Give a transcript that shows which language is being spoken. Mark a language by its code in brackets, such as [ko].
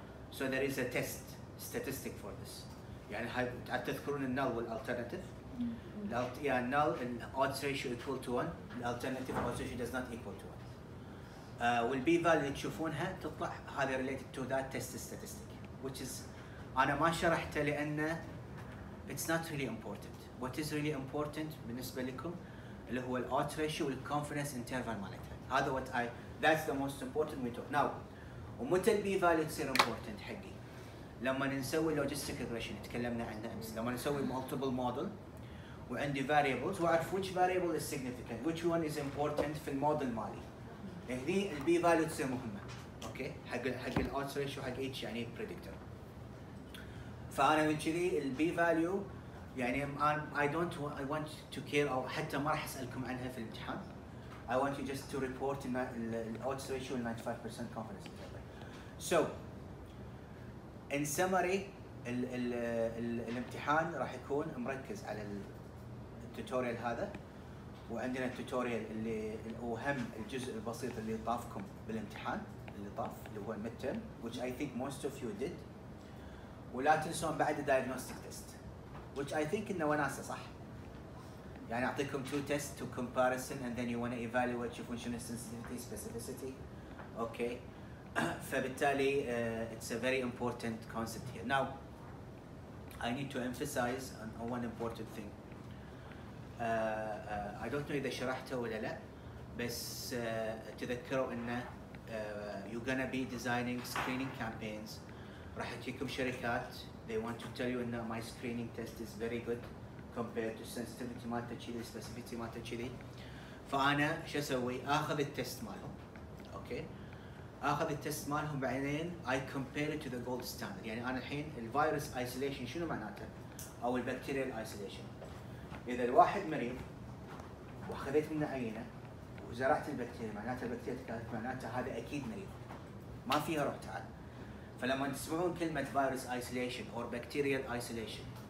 [en] So there is a test statistic for this. [ar] يعني هتذكرون النال والالترناتيف. [en] Yeah, null and odds ratio equal to one. The alternative odds ratio does not equal to one. Will be value [ar] تشوفونها تطلع هذا [en] related to that test statistic, which is [ar] أنا ما شرحته لأنه [en] it's not really important. What is really important [ar] بالنسبة لكم اللي هو [en] the odds ratio and confidence interval مالتها. هذا what I, that's the most important we talk. Now, [ar] ومتى البي فاليو تصير امبورتنت حقي؟ لما نسوي لوجيستيك ريجريشن تكلمنا عنه امس، لما نسوي مالتيبل موديل وعندي فاريبلز واعرف ويتش فاريبل از سيجنفيكانت، ويتش ون از امبورتنت في الموديل مالي. هني البي فاليو تصير مهمه، اوكي؟ حق الاوتس ريشيو حق اتش يعني بريدكتور. فانا من كذي البي فاليو يعني اي دونت اي ونت تو كير او حتى ما راح اسالكم عنها في الامتحان. [en] I want you just to report in the odds ratio 95% confidence interval. So, in summary, [ar] الامتحان راح يكون مركز على التوتوريال هذا وعندنا التوتوريال اللي أهم الجزء البسيط اللي طافكم بالامتحان اللي طاف اللي هو المتر [en] which I think most of you did [ar] ولا تنسون بعد [en] diagnostic test which I think [ar] إنه وناسة صح يعني أعطيكم [en] two tests to comparison and then you want to evaluate [ar] تشوفون شنو [en] sensitivity specificity okay فبالتالي it's a very important concept here. Now I need to emphasize on one important thing. I don't know [ar] إذا شرحته ولا لا بس تذكروا إنه [en] you're gonna be designing screening campaigns. [ar] راح تجيكم شركات [en] they want to tell you إنه my screening test is very good compared to sensitivity مالته كذي specificity مالته كذي. [ar] فأنا شو أسوي؟ آخذ التست مالهم. [en] Okay. [ar] اخذ التست مالهم بعدين [en] I compare it to the gold standard [ar] يعني انا الحين الفيروس isolation شنو معناته؟ او البكتيريال isolation اذا الواحد مريض واخذت منه عينه وزرعت البكتيريا معناته البكتيريا كانت معناته هذا اكيد مريض ما فيها روح تعال فلما تسمعون كلمه فيروس isolation [en] or bacterial isolation